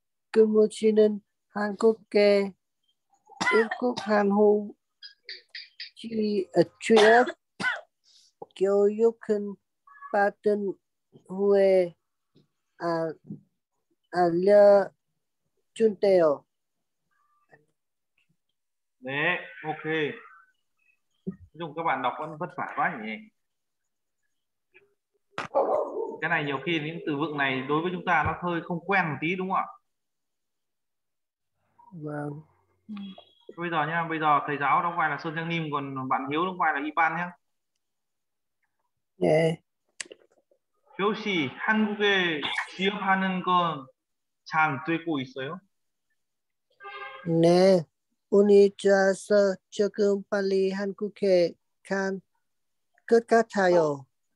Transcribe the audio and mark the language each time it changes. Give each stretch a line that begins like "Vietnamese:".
Korean: 근무지는 한국에 입국한 후 취업 교육은 받은 후에 알려준대요. 네, ok.
Vietnamese: 좀 các bạn đọc vẫn vất vả quá nhỉ. Cái này nhiều khi những từ vựng này đối với chúng ta nó hơi không quen một tí đúng không ạ? Vâng. Bây giờ nha, bây giờ thầy giáo đóng vai là Sơn Trang Nim, còn bạn Hiếu đóng vai là Ivan nhé. Nè.
Korean: 혹시 한국에 취업하는 건 잘 되고 있어요? 네, 운이 좋아서 조금 빨리 한국에 간 것 같아요.